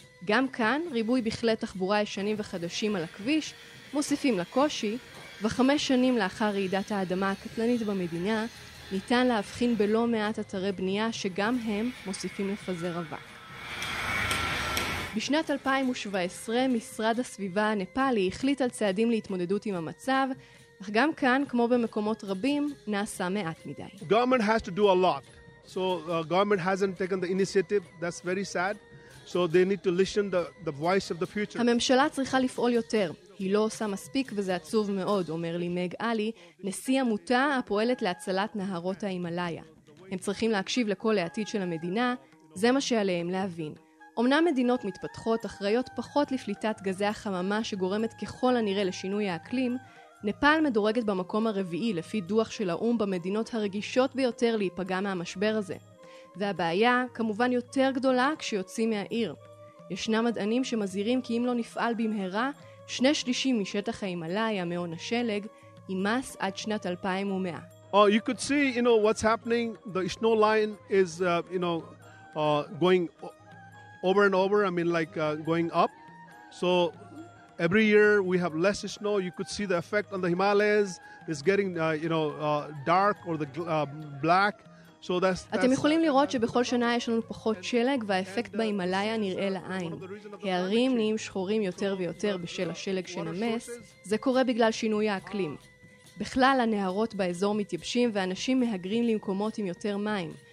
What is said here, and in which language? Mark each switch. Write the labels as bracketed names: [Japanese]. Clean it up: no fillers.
[Hebrew] גם כאן, ריבוי בכלי תחבורה ישנים וחדשים על הכביש, מוסיפים לקושי, וחמש שנים לאחר רעידת האדמה הקטלנית במדינה, ניתן להבחין בלא מעט אתרי בנייה שגם הם מוסיפים לפזר אבק. בשנת 2017, משרד הסביבה הנפאלי החליט על צעדים להתמודדות עם המצב, אך גם כאן, כמו במקומות רבים, נעשה מעט מדי. [English] Government has to do a lot. So government hasn't taken the initiative. That's very sad. So they need to listen the voice of the future. [Hebrew] הממשלה צריכה לפעול יותר. היא לא עושה מספיק וזה עצוב מאוד, אומר לי מג אלי, נשיא עמותה הפועלת להצלת נהרות ההימלאיה. הם צריכים להקשיב לכל העתיד של המדינה, זה מה שעליהם להבין. אומנם מדינות מתפתחות אחראיות פחות לפליטת גזי החממה שגורמת ככל הנראה לשינוי האקלים, נפאל מדורגת במקום הרביעי לפי דוח של האום במדינות הרגישות ביותר להיפגע מהמשבר הזה. והבעיה כמובן יותר גדולה כשיוצאים מהעיר. ישנם מדענים שמזהירים כי אם לא נפעל במהרה, שני שלישים משטח ההימלאיה מעון השלג יימס עד שנת 2100. [English] Oh, you could see, you know, what's happening. The snow line is, you know, going over and over. I mean, like, going up. So every year we have less snow. You could see the effect on the Himalayas. It's getting, you know, dark or the black. So that's [Hebrew] אתם יכולים לראות שבכל שנה יש לנו פחות שלג והאפקט בהימלאיה נראה לעין. הערים נהיים שחורים יותר ויותר בשל השלג שנמס. זה קורה בגלל שינוי האקלים. בכלל הנהרות באזור מתייבשים ואנשים מהגרים למקומות עם יותר מים.